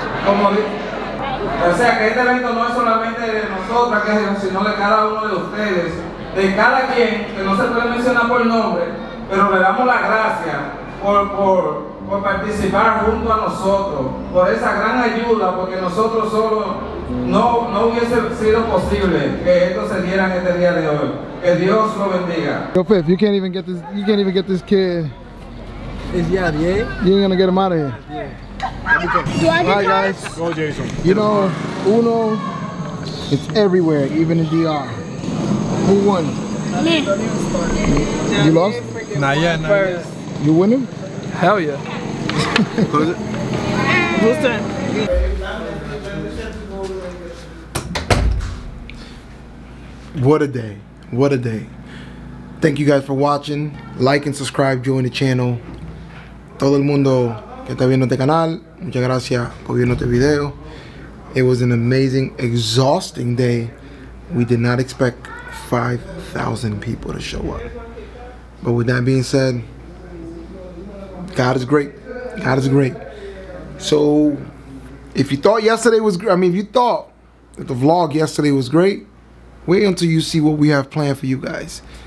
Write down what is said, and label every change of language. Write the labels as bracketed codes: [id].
[es] Como dice, o sea, que este evento no es solamente de nosotras, sino de cada uno de ustedes, de cada quien, que no se puede mencionar por nombre, pero le damos la gracia por participar junto a nosotros, por esa gran ayuda, porque nosotros solo no hubiese sido posible que esto se diera en este día de hoy. Que Dios lo bendiga. [en] Yo, Fifth, you can't even get this kid. Is he out? You ain't gonna get him out of here. Yeah. Alright, guys. Go, Jason. You know, Uno, it's everywhere, even in DR. Who won? Me. You lost? Not yet. You winning? Hell yeah. Who's that? What a day. What a day. Thank you guys for watching. Like and subscribe, join the channel. [es] Todo el mundo que está viendo este canal, muchas gracias por viendo este video. [en] It was an amazing, exhausting day. We did not expect 5,000 people to show up. But with that being said, God is great. God is great. So, if you thought yesterday was great, I mean, if you thought that the vlog yesterday was great, wait until you see what we have planned for you guys.